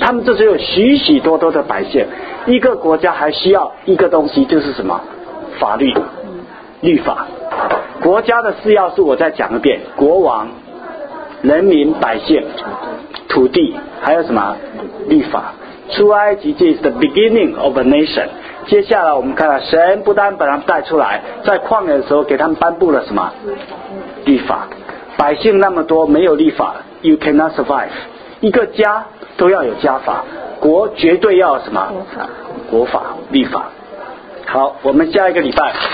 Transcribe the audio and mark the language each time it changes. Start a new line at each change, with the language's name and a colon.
Chinese: 他们这时候有许许多多的百姓。一个国家还需要一个东西，就是什么？法律，律法。国家的事要是我再讲一遍，国王、人民、百姓、土地，还有什么？律法。出埃及记是
English: the beginning of a nation。
Chinese: 接下来我们看到神不单把他们带出来，在旷野的时候给他们颁布了什么？律法。百姓那么多，没有律法
English: you cannot survive。
Chinese: 一个家都要有家法，国绝对要有什么？国法，国法，律法。好，我们下一个礼拜